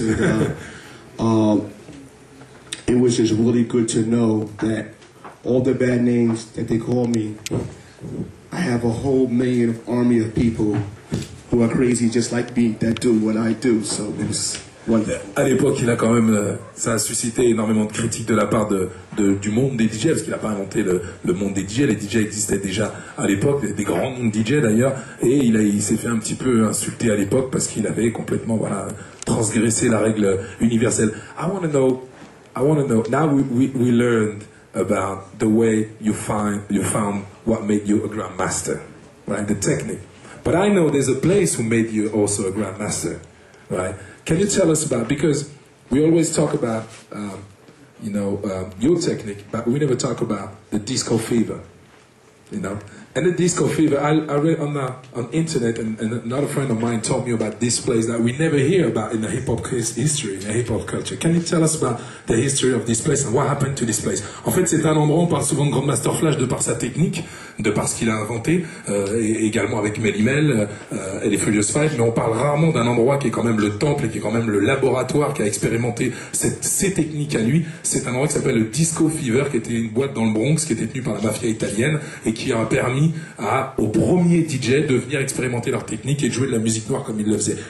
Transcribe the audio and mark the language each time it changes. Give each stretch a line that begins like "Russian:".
English: And, it was just really good to know that all the bad names that they call me, I have a whole million army of people who are crazy just like me that do what I do. So it was wonderful.
French: À l'époque, il a quand même, ça a suscité énormément de critiques de la part du monde des DJ, parce qu'il n'a pas inventé le monde des DJ. Les DJ existaient déjà à l'époque, des grands noms de DJ d'ailleurs. Et il s'est fait un petit peu insulter à l'époque parce qu'il avait complètement, voilà, transgressé la règle universelle.
English: I want to know. Now we learned about the way you found what made you a grandmaster, right? The technique. But I know there's a place who made you also a grandmaster, right? Can you tell us about, because we always talk about, your technique, but we never talk about the disco fever, you know? And the disco fever, I read on the internet, and another friend of mine told me about this place that we never hear about in the hip-hop history, in the hip-hop culture. Can you tell us about the history of this place and what happened to this place?
French: En fait, c'est un endroit où on parle souvent de Grandmaster Flash de par sa technique, de par ce qu'il a inventé, et également avec Melimel et les Furious Five, mais on parle rarement d'un endroit qui est quand même le temple et qui est quand même le laboratoire qui a expérimenté ces techniques à lui. C'est un endroit qui s'appelle le Disco Fever, qui était une boîte dans le Bronx, qui était tenue par la mafia italienne et qui a permis aux premiers DJ de venir expérimenter leur technique et jouer de la musique noire comme ils le faisaient.